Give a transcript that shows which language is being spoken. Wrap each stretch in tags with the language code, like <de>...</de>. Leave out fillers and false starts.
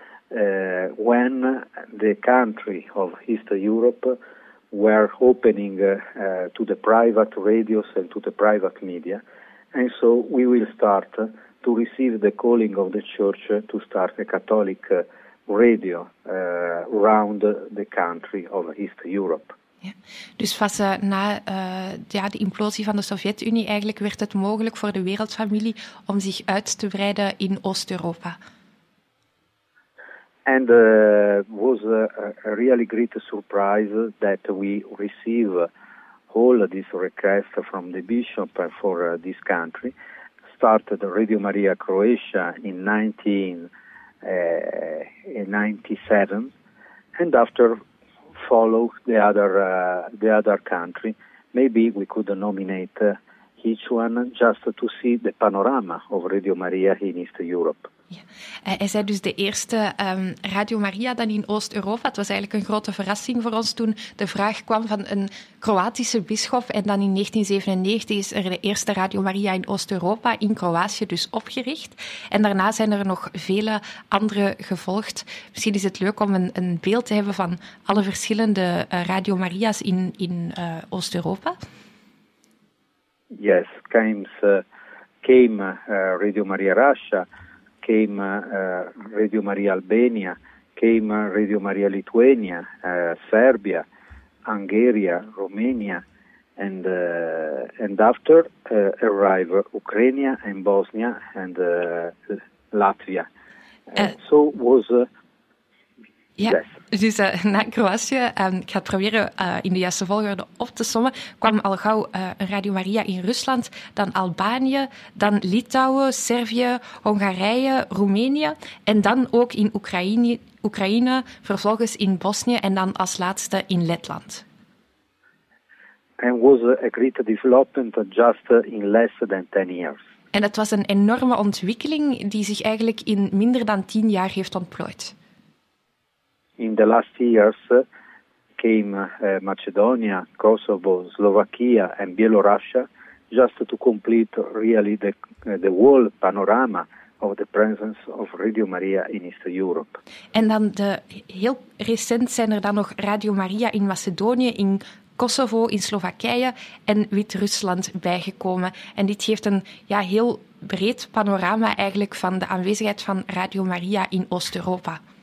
<en>When the country of Eastern Europe were opening to the private radios and to the private media, and so we will start to receive the calling of the church to start a Catholic radio around the country of Eastern Europe. Ja.</en> <nl>Dus vast na de implosie van de Sovjet-Unie eigenlijk werd het mogelijk voor de wereldfamilie om zich uit te breiden in Oost-Europa.</nl> <en>And was a really great surprise that we receive all these requests from the bishop for this country. Started Radio Maria Croatia in 1997, and after followed the other country. Maybe we could nominate each one just to see the panorama of Radio Maria in East Europe. Ja.</en> <nl>Hij zei dus de eerste Radio Maria dan in Oost-Europa. Het was eigenlijk een grote verrassing voor ons toen de vraag kwam van een Kroatische bisschop. En dan in 1997 is er de eerste Radio Maria in Oost-Europa, in Kroatië dus opgericht. En daarna zijn er nog vele andere gevolgd. Misschien is het leuk om een beeld te hebben van alle verschillende Radio Maria's in Oost-Europa.</nl> <en>Yes, came Radio Maria Russia. Came Radio Maria Albania, came Radio Maria Lithuania, Serbia, Hungary, Romania, and after arrive Ukraine and Bosnia and Latvia. So was Ja, yes.</en> <nl>Dus na Kroatië, ik ga het proberen in de juiste volgorde op te sommen, kwam al gauw Radio Maria in Rusland, dan Albanië, dan Litouwen, Servië, Hongarije, Roemenië en dan ook in Oekraïne, vervolgens in Bosnië en dan als laatste in Letland.</nl> <en>And was a great development just in less than 10 years.</en> <nl>En het was een enorme ontwikkeling die zich eigenlijk in minder dan 10 jaar heeft ontplooit.</nl> <en>In the last years came Macedonia, Kosovo, Slovakia and Bielorussia just to complete really the whole panorama of the presence of Radio Maria in East Europe.</en> <nl>En dan heel recent zijn er dan nog Radio Maria in Macedonië, in Kosovo, in Slowakije en Wit-Rusland bijgekomen. En dit geeft een ja, heel breed panorama eigenlijk van de aanwezigheid van Radio Maria in Oost-Europa.</nl>